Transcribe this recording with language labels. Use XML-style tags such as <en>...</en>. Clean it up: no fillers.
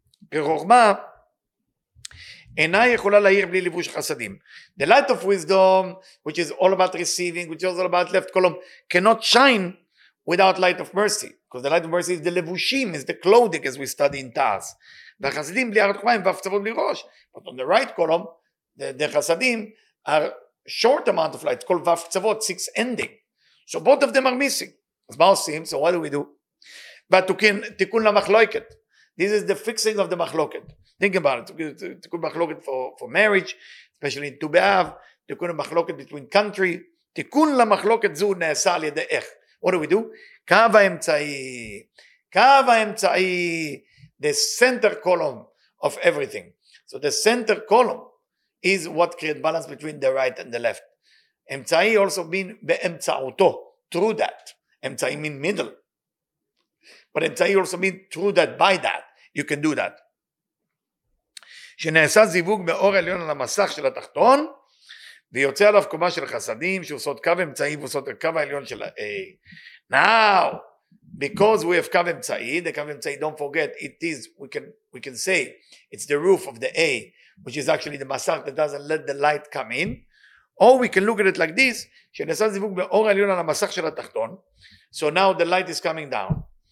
<he>כי חוכמה אינה יכולה להאיר בלי לבוש חסדים.</he> <en>The light of wisdom, which is all about receiving, which is all about left column, cannot shine without light of mercy. Because the light of mercy is the לבושים, is the clothing, as we study in Taz.</en> <he>והחסדים בלי הארת חוכמה הם והפצבות בלי ראש.</he> <en>But on the right column, the חסדים are short amount of light. It's called והפצבות, six ending. So both of them are missing.</en> <he>אז מה עושים?</he> <en>So what do we do? But תיקון למחלוקת. This is the fixing of the מחלוקת. Think about it. תיקון מחלוקת for marriage, especially in Tubav, תיקון למחלוקת between country.</en> <he>תיקון למחלוקת זו נעשה על ידי איך.</he> <en>What do we do? קו האמצעי. קו האמצעי. The center column of everything. So the center column is what creates balance between the right and the left. אמצעי also mean באמצעותו. Through that. אמצעי mean middle. But it also means through that, by that, you can do that.</en> <he>שנעשה זיווג באור העליון על המסך של התחתון, ויוצא עליו קומה של חסדים, שעושות קו אמצעי ועושות הקו העליון של ה-A.</he> <en>Now, because we have קו אמצעי, the קו אמצעי, don't forget, it is, we can say, it's the roof of the A, which is actually the מסך that doesn't let the light come in. Or we can look at it like this,</en> <he>שנעשה זיווג באור העליון על המסך של התחתון,</he> <en>so now the light is coming down.</en>